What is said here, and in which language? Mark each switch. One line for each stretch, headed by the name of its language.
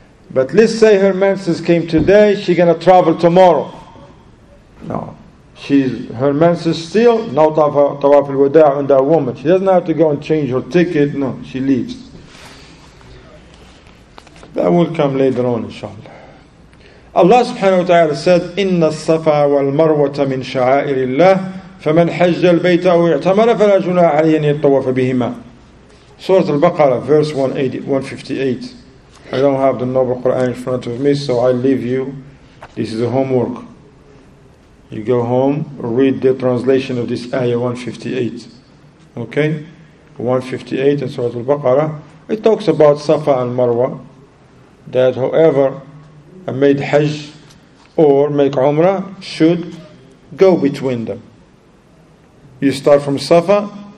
English: But let's say her menses came today, she's going to travel tomorrow. No. Her menses still, no Tawaf al-Wada on that woman. She doesn't have to go and change her ticket. No, she leaves. That will come later on, inshallah. Allah subhanahu wa ta'ala said,
Arabic: إِنَّ الصَّفَى وَالْمَرْوَةَ مِنْ شَعَائِرِ اللَّهِ فَمَنْ حَجَّ الْبَيْتَ وَاِعْتَمَرَ فَلَا جُنَاءَ عَلَيْهِ أَنْ يَطَّوَّفَ بِهِمَا.
English: Surah Al-Baqarah, verse 158. I don't have the Noble Quran in front of me, so I leave you. This is a homework. You go home, read the translation of this ayah 158. Okay? 158 in Surah Al-Baqarah. It talks about Safa and Marwa, that whoever and made Hajj or make Umrah should go between them. You start from Safa